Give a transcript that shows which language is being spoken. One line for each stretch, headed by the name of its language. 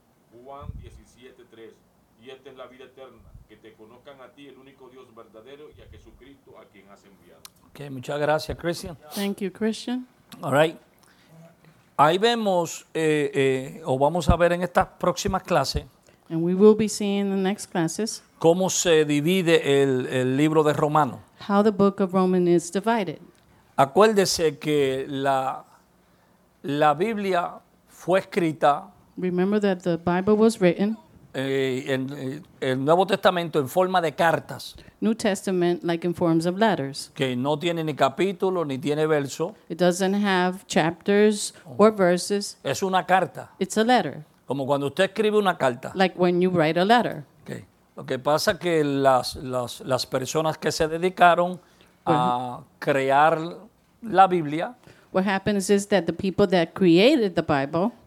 Spanish: Juan 17:3, y esta es la vida eterna, que te conozcan a ti, el único Dios verdadero, y a Jesucristo a quien has enviado. Ok, muchas gracias, Christian.
English: Thank you, Christian. All right.
Spanish: Ahí vemos, o vamos a ver en estas próximas clases,
English: and we will be seeing in the next classes,
Spanish: cómo se divide el libro de Romanos.
English: how the book of Romans is divided.
Spanish: Acuérdese que la Biblia fue escrita.
English: Remember that the Bible was written.
Spanish: En el Nuevo Testamento en forma de cartas.
English: New Testament, like in forms of letters.
Spanish: Que no tiene ni capítulo ni tiene verso.
English: It doesn't have chapters or verses.
Spanish: Es una carta.
English: It's a letter.
Spanish: Como cuando usted escribe una carta.
English: Like when you write a letter. Okay.
Spanish: Lo que pasa que las personas que se dedicaron a crear la Biblia.
English: What happens is that the people that created the Bible.